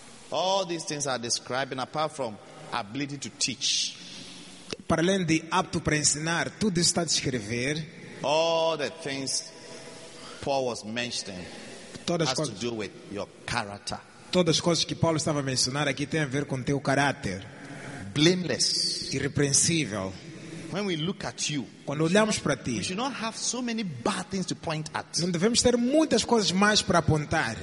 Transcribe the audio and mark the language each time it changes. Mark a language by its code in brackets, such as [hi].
[en] All these things are describing apart from ability to teach. [pt] Para além de apto para ensinar, tudo está a descrever. [en] All the things Paul was mentioning [pt] todas [en] has to do with your character. [pt] todas as coisas que Paulo estava a mencionar aqui tem a ver com teu caráter. [en] Blameless. [pt] Irrepreensível. [en] When we look at you, [pt] quando olhamos para ti, [en] we should not have so many bad things to point at. [pt] Não devemos ter muitas coisas mais para apontar.